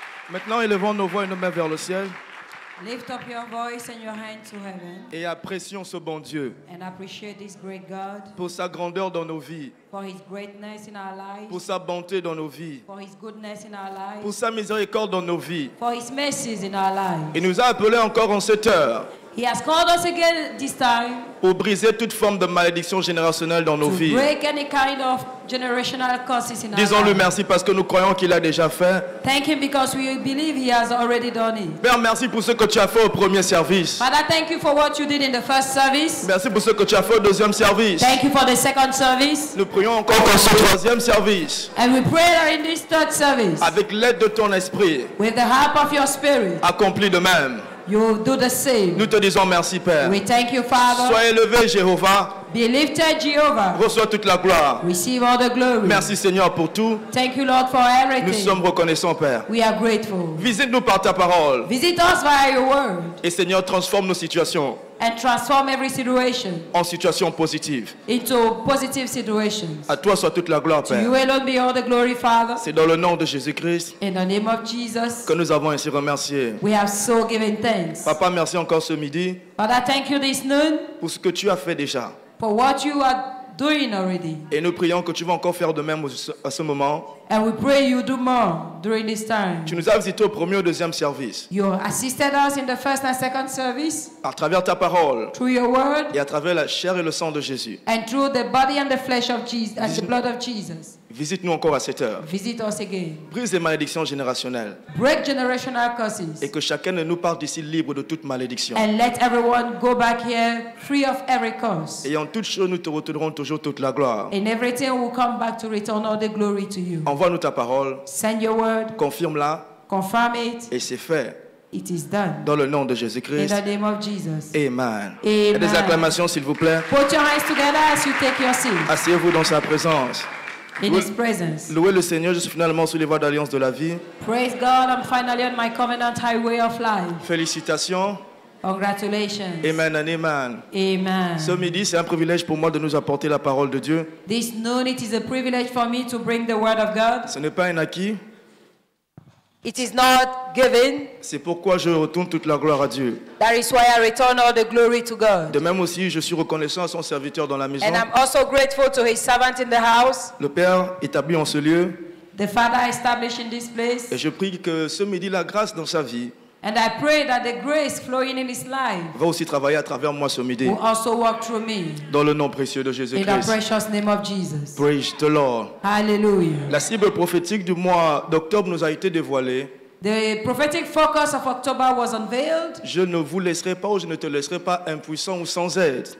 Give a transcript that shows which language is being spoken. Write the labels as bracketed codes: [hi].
[fr] Maintenant, élevons nos voix et nos mains vers le ciel. [en] Lift up your voice and your hand to heaven. [fr] Et apprécions ce bon Dieu. [en] And appreciate this great God. [fr] Pour sa grandeur dans nos vies. [en] For his greatness in our lives. [fr] Pour sa bonté dans nos vies. [en] For his goodness in our lives. [fr] Pour sa miséricorde dans nos vies. [en] For his mercies in our lives. [fr] Il nous a appelés encore en cette heure. [en] He has called us again this time. [fr] Pour briser toute forme de malédiction générationnelle dans nos vies. [en] To break any kind of generational curses in our lives. [fr] Disons-lui merci parce que nous croyons qu'il a déjà fait. [en] Thank him because we believe he has already done it. [fr] Père, merci pour ce que tu as fait au premier service. [en] Father, thank you for what you did in the first service. [fr] Merci pour ce que tu as fait au deuxième service. [en] Thank you for the second service. [fr] Nous prions encore pour ce troisième service. [en] And we pray in this third service. [fr] Avec l'aide de ton esprit. [en] With the help of your spirit. [fr] Accomplis de même. [en] You do the same. [fr] Nous te disons merci, Père. [en] We thank you, Father. [fr] Sois élevé, Jéhovah. [en] Be lifted, Jehovah. [fr] Reçois toute la gloire. [en] Receive all the glory. [fr] Merci, Seigneur, pour tout. [en] Thank you, Lord, for everything. [fr] Nous sommes reconnaissants, Père. [en] We are grateful. [fr] Visite-nous par ta parole. [en] Visit us via your word. [fr] Et Seigneur, transforme nos situations. [en] And transform every situation. [fr] En situation positive. [en] Into positive situations. [fr] À toi soit toute la gloire, Père. [en] To you alone be all the glory, Father. [fr] C'est dans le nom de Jésus-Christ. [en] In the name of Jesus. [fr] Que nous avons ainsi remercié. [en] We have so given thanks. [fr] Papa, merci encore ce midi. [en] Father, thank you this noon. [fr] Pour ce que tu as fait déjà. [en] For what you are doing already. [fr] Et nous prions que tu vas encore faire de même à ce moment. [en] And we pray you do more during this time. [fr] Tu nous as visité au premier et deuxième service. [en] You assisted us in the first and second service. [fr] À travers ta parole. [en] Through your word. [fr] Et à travers la chair et le sang de Jésus. [en] And through the body and the flesh of Jesus and the blood of Jesus. [fr] Visite-nous encore à cette heure. [en] Visit us again. [fr] Brise les malédictions générationnelles. [en] Break generational curses. [fr] Et que chacun de nous parte d'ici libre de toute malédiction. [en] And let everyone go back here free of every curse. [fr] Et en toute chose, nous te retournerons toujours toute la gloire. [en] In everything, we'll come back to return all the glory to you. [fr] Envoie-nous ta parole. [en] Send your word. [fr] Confirme-la. [en] Confirm it. [fr] Et c'est fait. [en] It is done. [fr] Dans le nom de Jésus-Christ. [en] In the name of Jesus. [fr] Amen. [en] Amen. [fr] Et des acclamations, s'il vous plaît. [en] Put your hands together as you take your seat. [fr] Asseyez-vous dans sa présence. [en] In his presence. [fr] Louez le Seigneur, je suis finalement sur les voies d'alliance de la vie. [en] Praise God, I'm finally on my covenant highway of life. [fr] Félicitations. [en] Congratulations. Amen and amen. Amen. [fr] Ce midi, c'est un privilège pour moi de nous apporter la parole de Dieu. [en] This noon, it is a privilege for me to bring the word of God. [fr] Ce n'est pas un acquis. [en] It is not given. [fr] C'est pourquoi je retourne toute la gloire à Dieu. [en] That is why I return all the glory to God. [fr] De même aussi, je suis reconnaissant à son serviteur dans la maison. [en] And I'm also grateful to his servant in the house. [fr] Le Père établit en ce lieu. [en] The Father established in this place. [fr] Et je prie que ce midi, la grâce dans sa vie. [en] And I pray that the grace flowing in his life [fr] va aussi travailler à travers moi ce midi. [en] Will also work through me. [fr] Dans le nom précieux de Jésus-Christ. [en] In the precious name of Jesus. Praise the Lord. Hallelujah. [fr] La cible prophétique du mois d'octobre nous a été dévoilée. [en] The prophetic focus of October was unveiled. [fr] Je ne vous laisserai pas ou je ne te laisserai pas impuissant ou sans aide.